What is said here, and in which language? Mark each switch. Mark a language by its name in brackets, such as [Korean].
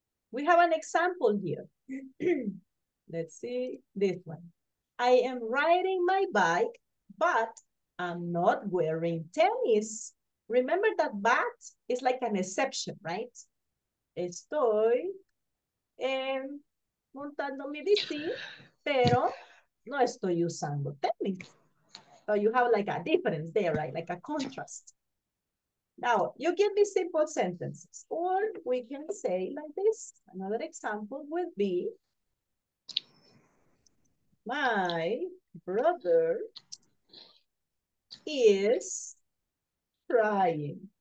[English] We have an example here. Let's see this one. I am riding my bike, but I'm not wearing tennis. Remember that but is like an exception, right? [Spanish] Estoy montando mi bici, pero no estoy usando tennis. [English] So you have like a difference there, right? Like a contrast. Now, you can be simple sentences, or we can say like this. Another example would be, my brother is trying.